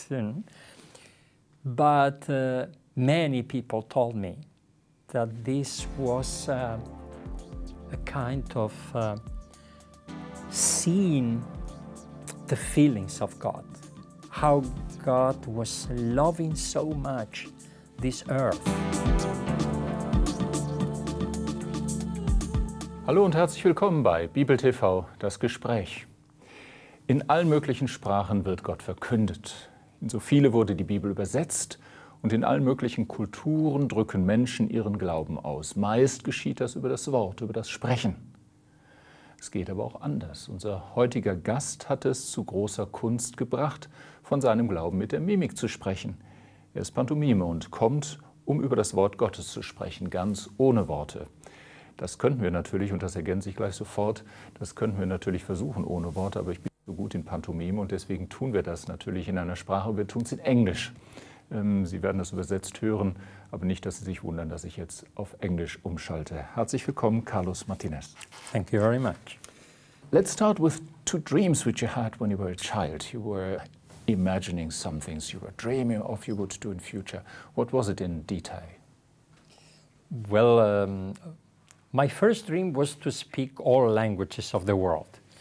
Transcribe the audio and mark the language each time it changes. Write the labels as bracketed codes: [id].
[en] And, but many people told me that this was a kind of seeing the feelings of God, how God was loving so much this earth. [de] Hallo und herzlich willkommen bei Bibel TV, das Gespräch. In allen möglichen Sprachen wird Gott verkündet. In so viele wurde die Bibel übersetzt und in allen möglichen Kulturen drücken Menschen ihren Glauben aus. Meist geschieht das über das Wort, über das Sprechen. Es geht aber auch anders. Unser heutiger Gast hat es zu großer Kunst gebracht, von seinem Glauben mit der Mimik zu sprechen. Er ist Pantomime und kommt, um über das Wort Gottes zu sprechen, ganz ohne Worte. Das könnten wir natürlich, und das ergänze ich gleich sofort, das könnten wir natürlich versuchen ohne Worte, aber ich bin so gut in Pantomime und deswegen tun wir das natürlich in einer Sprache, wir tun es in Englisch. Sie werden das übersetzt hören, aber nicht, dass Sie sich wundern, dass ich jetzt auf Englisch umschalte. Herzlich willkommen, Carlos Martinez. [en] Thank you very much. Let's start with two dreams which you had when you were a child. You were imagining some things you were dreaming of you would do in future. What was it in detail? Well, my first dream was to speak all languages of the world.